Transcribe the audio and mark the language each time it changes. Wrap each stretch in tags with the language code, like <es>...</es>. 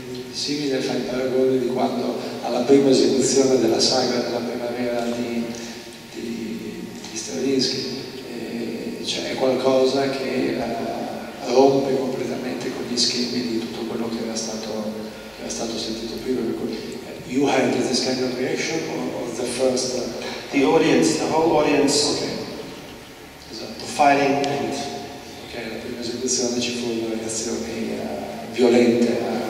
<it>Simile fa il paragone di quando alla prima esecuzione della sagra della primavera di Stravinsky, cioè è qualcosa che rompe completamente con gli schemi di tutto quello che era stato sentito prima.</it> <en>You had this kind of reaction or the first? The audience, the whole audience. Okay.</en> <it>Esatto. Fighting. Ok, la prima esecuzione ci fu una reazione violente.</it>